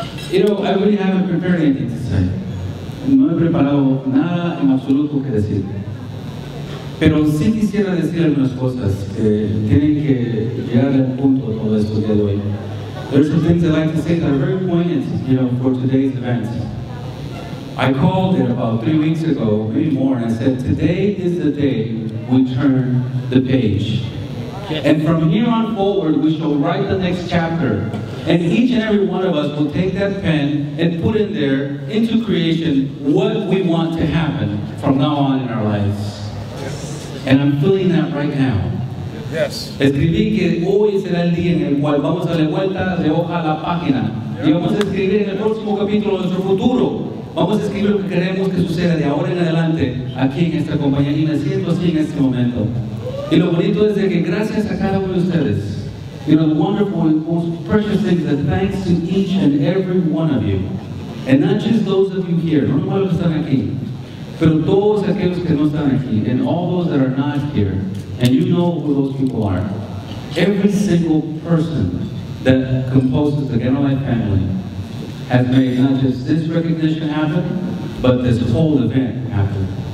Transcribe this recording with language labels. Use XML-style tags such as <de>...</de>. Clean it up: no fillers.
<en>You know, I really haven't prepared anything to say.</en> <es>No he preparado nada en absoluto que decir. Pero sí quisiera decir algunas cosas que tienen que llegar al punto de todo esto de hoy.</es> <en>There's some things I'd like to say that are very poignant, you know, for today's event. I called it about 3 weeks ago, maybe more, and I said, today is the day we turn the page. And from here on forward, we shall write the next chapter. And each and every one of us will take that pen and put in there, into creation, what we want to happen from now on in our lives. And I'm feeling that right now. Yes.</en> <es>Escribí que hoy será el día en el cual vamos a darle vuelta de hoja a la página. Yep. Y vamos a escribir en el próximo capítulo nuestro futuro. Vamos a escribir lo que queremos que suceda de ahora en adelante aquí en esta compañía. Y me siento así en este momento. Y lo bonito es de que gracias a cada uno de ustedes.</es> <en>You know, the wonderful and most precious thing is that thanks to each and every one of you. And not just those of you here.</en> <es>No solo los que están aquí. Pero todos aquellos que no están aquí.</es> <en>And all those that are not here. And you know who those people are. Every single person that composes the Ganolite family has made not just this recognition happen, but this whole event happen.</en>